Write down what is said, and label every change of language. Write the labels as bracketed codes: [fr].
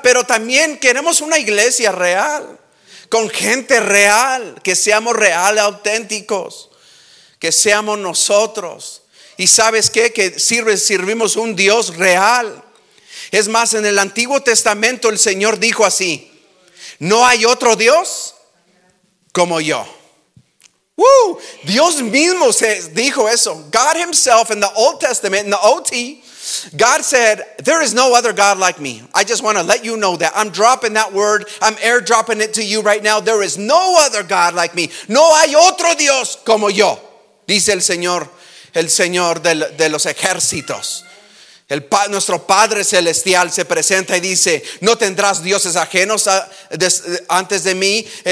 [es] Pero también queremos una iglesia real, con gente real, que seamos reales, auténticos, que seamos nosotros. Y sabes qué, que servimos un Dios real. Es más, en el Antiguo Testamento el Señor dijo así: no hay otro Dios como yo. ¡Woo! Dios mismo se dijo eso. [en] God himself in the Old Testament, in the OT, God said, there is no other God like me. I just want to let you know that. I'm dropping that word. I'm airdropping it to you right now. There is no other God like me. [es] No hay otro Dios como yo, dice el Señor. El Señor de los ejércitos, nuestro Padre Celestial se presenta y dice: no tendrás dioses ajenos antes de mí.